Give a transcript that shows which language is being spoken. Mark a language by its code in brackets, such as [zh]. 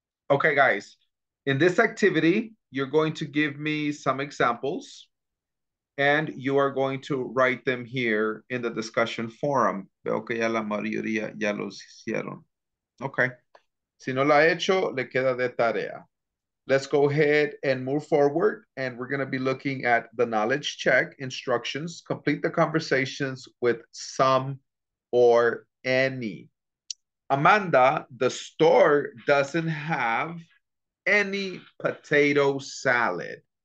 [en] Okay, guys, in this activity, you're going to give me some examples and you are going to write them here in the discussion forum. [es] Veo que ya la mayoría ya los hicieron. Okay. Si no la ha hecho, le queda de tarea. [en] Let's go ahead and move forward, and we're going to be looking at the knowledge check instructions. Complete the conversations with some or any. Amanda, the store doesn't have any potato salad.